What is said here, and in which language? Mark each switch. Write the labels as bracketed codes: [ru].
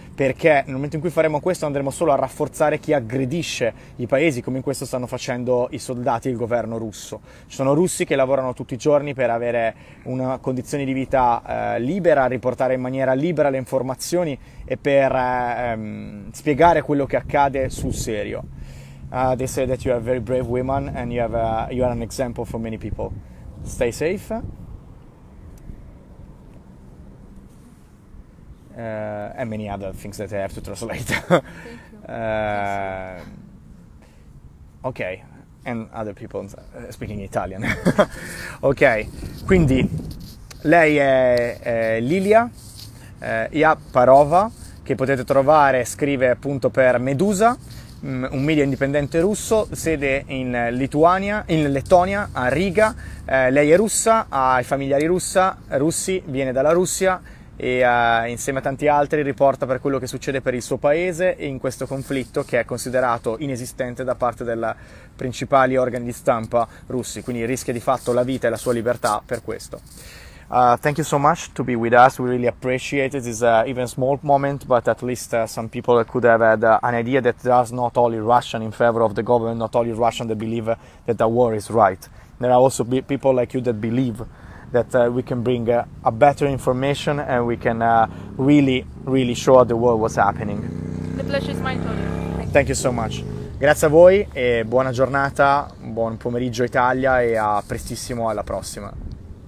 [it] Perché nel momento in cui faremo questo andremo solo a rafforzare chi aggredisce i paesi, come in questo stanno facendo i soldati e il governo russo. Ci sono russi che lavorano tutti i giorni per avere una condizione di vita libera, riportare in maniera libera le informazioni e per spiegare quello che accade sul serio. [en] They say that you are a very brave woman and you are an example for many people. Stay safe. And many other things that I have to translate. Thank you. Okay, and other people speaking Italian. [it] Okay, quindi lei è Lilia Yapparova, che potete trovare, scrive appunto per Medusa, un media indipendente russo, sede in Lituania, in Lettonia, a Riga. Lei è russa, ha i familiari russi, viene dalla Russia e insieme a tanti altri riporta per quello che succede per il suo paese e in questo conflitto che è considerato inesistente da parte dei principali organi di stampa russi, quindi rischia di fatto la vita e la sua libertà per questo. [en] Thank you so much to be with us. We really appreciate it. It's an even small moment, but at least some people could have had an idea that there is not only Russian in favor of the government, not only Russian that believe that the war is right. There are also people like you that believe that we can bring a better information and we can really, really show the world what's happening. The pleasure is mine, Claudio. Thank you so much. [it] Grazie a voi e buona giornata, buon pomeriggio Italia e a prestissimo, alla prossima.